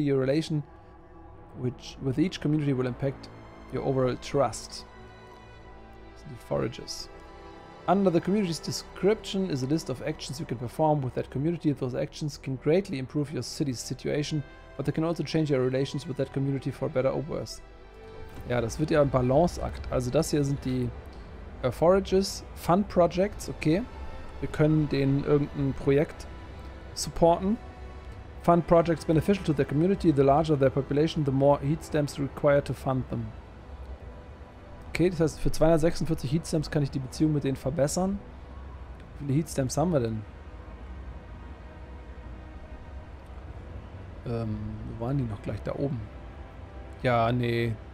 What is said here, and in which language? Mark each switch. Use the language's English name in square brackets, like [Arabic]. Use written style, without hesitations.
[English] Your relation which with each community will impact your overall trust. The forages. Under the community's description is a list of actions you can perform with that community. Those actions can greatly improve your city's situation, but they can also change your relations with that community for better or worse. [German] Ja, das wird ja ein Balanceakt. Also das hier sind die Forages, Fun Projects, okay. Wir können denen irgendein Projekt supporten. [English] Fun Projects beneficial to their community. The larger their population, the more heat stamps required to fund them. [German] Okay, das heißt, für 246 Heatstamps kann ich die Beziehung mit denen verbessern. Wie viele Heatstamps haben wir denn? Wo waren die noch gleich? Da oben. Ja, nee.